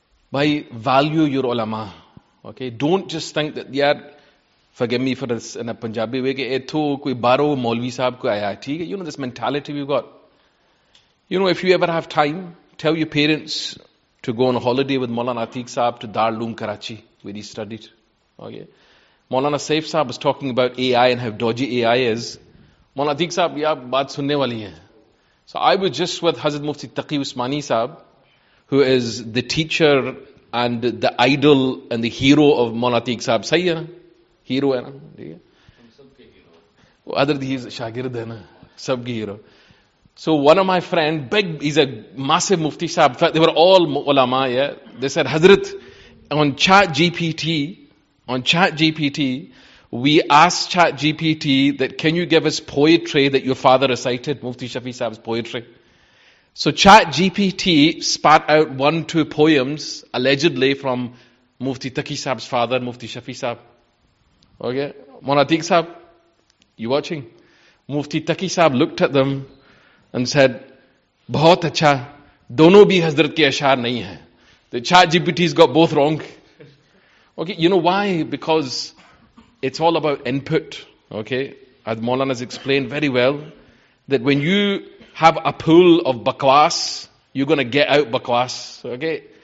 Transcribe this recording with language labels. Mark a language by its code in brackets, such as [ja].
[en] By value your ulama. Okay, don't just think that, yeah, forgive me for this in a Punjabi way, you know this mentality we've got. You know, if you ever have time, tell your parents to go on holiday with Maulana Atiq Sahib to Darul Karachi, where he studied. Okay, Maulana Saif Sahib was talking about AI and how dodgy AI is. [ur] مولانا عتیق صاحب، yeah، بات سننے والی ہے۔ [en] So I was just with Hazrat Mufti Taqi Usmani Sahib, who is the teacher and the idol and the hero of Maulana Atiq Sahib. [ur] صحیح ہے نا؟ Hero ہے نا؟ [en] Hero. Other than he's a [ur] shagird hai na? Sab ki [en] hero. So one of my friends, he's a massive Mufti Sahib. In fact, they were all ulama, yeah? They said, Hazrat, on chat GPT, we asked chat GPT that, can you give us poetry that your father recited, Mufti Shafi Sahib's poetry? So ChatGPT spat out 1-2 poems, allegedly, from Mufti Taqi Sahib's father, Mufti Shafi Sahib. Okay? Maulana Atiq Sahib, you watching? Mufti Taqi Sahib looked at them and said، [ur] بہت اچھا، دونوں بھی حضرت کے اشعار نہیں ہے۔ [en] The ChatGPT's got both wrong. Okay, you know why? Because it's all about input. Okay? As Maulana has explained very well, that when you have a pool of bakwas, you're going to get out bakwas. Okay?